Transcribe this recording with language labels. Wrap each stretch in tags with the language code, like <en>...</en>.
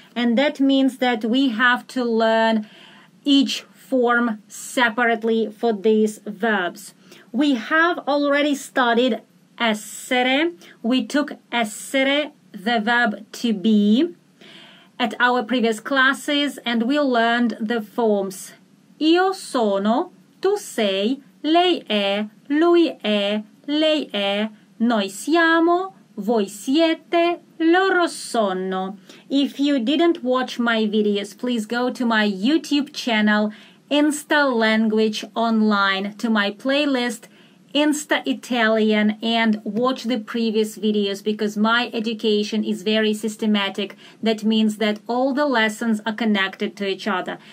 <en>And that means that we have to learn each form separately for these verbs. We have already studied essere. We took essere, the verb to be, at our previous classes, and we learned the forms.</en> <it>Io sono, tu sei, lei è, lui è, lei è, noi siamo, voi siete, loro sono.</it> <en>If you didn't watch my videos, please go to my YouTube channel, Insta Language Online, to my playlist, Insta Italian, and watch the previous videos because my education is very systematic. That means that all the lessons are connected to each other.</en>